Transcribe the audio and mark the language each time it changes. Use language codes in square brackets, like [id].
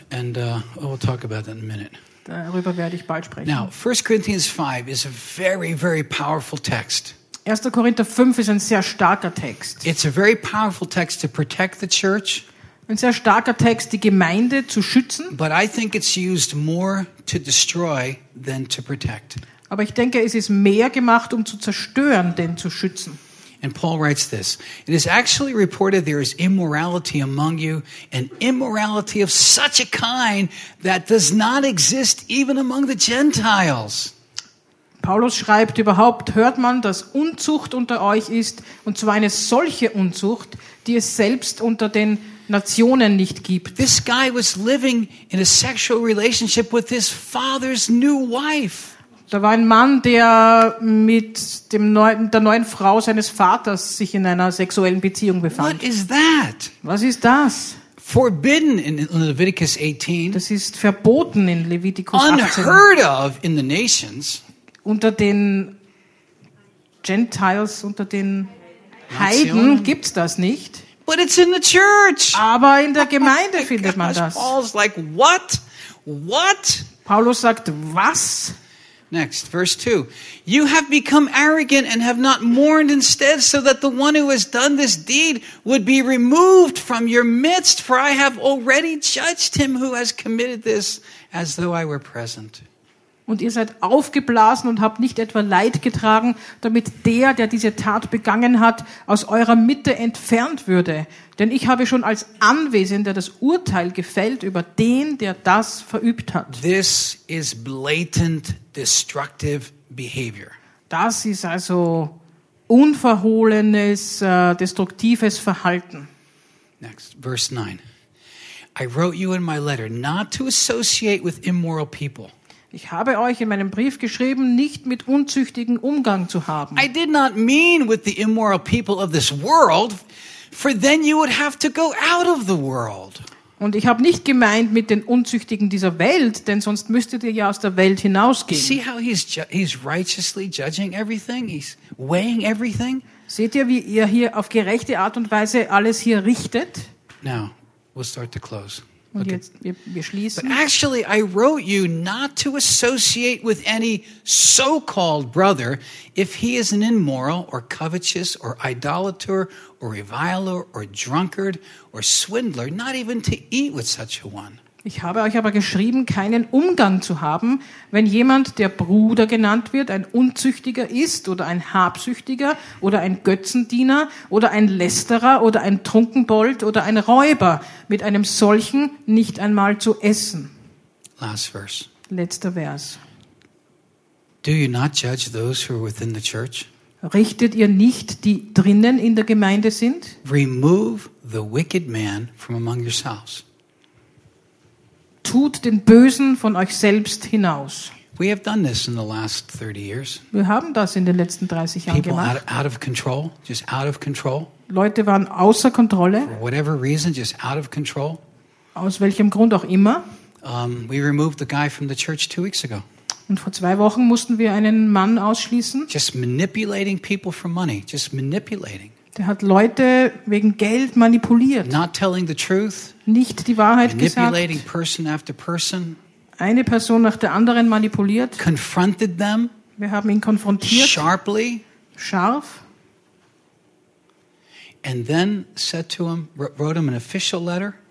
[en] And we'll talk about that in a minute. [de] Darüber werde ich bald sprechen. [en] Now, 1 Corinthians 5 is a very, very powerful text. [de] 1. Korinther 5 ist ein sehr starker Text. [en] It's a very powerful text to protect the church. [de] Ein sehr starker Text, die Gemeinde zu schützen. [en] But I think it's used more to destroy than to protect. [de] Aber ich denke, es ist mehr gemacht, um zu zerstören, denn zu schützen. [en] And Paul writes this. It is actually reported there is immorality among you, an immorality of such a kind that does not exist even among the Gentiles. [de] Paulus schreibt, überhaupt hört man, dass Unzucht unter euch ist, und zwar eine solche Unzucht, die es selbst unter den Nationen nicht gibt. [en] This guy was living in a sexual relationship with his father's new wife. [de] Da war ein Mann, der mit dem der neuen Frau seines Vaters sich in einer sexuellen Beziehung befand. [en] What is that? [de] Was ist das? [en] Forbidden in Leviticus 18. [de] Das ist verboten in Levitikus 18. [en] Unheard of in the nations. [de] Unter den Gentiles, unter den Heiden gibt's das nicht. [en] But it's in the church. [de] Aber in der Gemeinde findet man das. [en] Paul's like, what? What? [de] Paulus sagt, was? [en] Next, verse 2. You have become arrogant and have not mourned instead, so that the one who has done this deed would be removed from your midst, for I have already judged him who has committed this as though I were present. [de] Und ihr seid aufgeblasen und habt nicht etwa Leid getragen, damit der, der diese Tat begangen hat, aus eurer Mitte entfernt würde. Denn ich habe schon als Anwesender das Urteil gefällt über den, der das verübt hat. [en] This is blatant destructive behavior. [de] Das ist also unverhohlenes, destruktives Verhalten. [en] Next, verse 9. I wrote you in my letter not to associate with immoral people. [de] Ich habe euch in meinem Brief geschrieben, nicht mit Unzüchtigen Umgang zu haben. [en] I did not mean with the immoral people of this world, for then you would have to go out of the world. [de] Und ich habe nicht gemeint mit den Unzüchtigen dieser Welt, denn sonst müsstet ihr ja aus der Welt hinausgehen. [en] See how he's righteously judging everything? He's weighing everything? [de] Seht ihr, wie er hier auf gerechte Art und Weise alles hier richtet? [en] Now, we'll start to close. [de] Und jetzt, wir schließen. [en] But actually, I wrote you not to associate with any so-called brother if he is an immoral or covetous or idolater or reviler or drunkard or swindler, not even to eat with such a one. [de] Ich habe euch aber geschrieben, keinen Umgang zu haben, wenn jemand, der Bruder genannt wird, ein Unzüchtiger ist oder ein Habsüchtiger oder ein Götzendiener oder ein Lästerer oder ein Trunkenbold oder ein Räuber, mit einem solchen nicht einmal zu essen. [en] Last verse. [de] Letzter Vers. [en] Do you not judge those who are within the church? [de] Richtet ihr nicht die drinnen in der Gemeinde sind? [en] Remove the wicked man from among yourselves. [de] Tut den Bösen von euch selbst hinaus. [en] We have done this in the last 30 years. [de] Wir haben das in den letzten 30 Jahren [en] People [de] gemacht. [en] Out of control, just out of control. [de] Leute waren außer Kontrolle. [en] For whatever reason, just out of control. [de] Aus welchem Grund auch immer. [en] We removed the guy from the church 2 weeks ago. [de] Und vor 2 Wochen mussten wir einen Mann ausschließen. [en] Just manipulating people for money. Just manipulating. [de] Der hat Leute wegen Geld manipuliert. [en] Not telling the truth, [de] nicht die Wahrheit [en] manipulating [de] gesagt. [en] Person after person, [de] eine Person nach der anderen manipuliert. [en] Confronted them, [de] wir haben ihn konfrontiert. [en] Sharply, [de] scharf. [en] And then said to him, wrote him an official letter.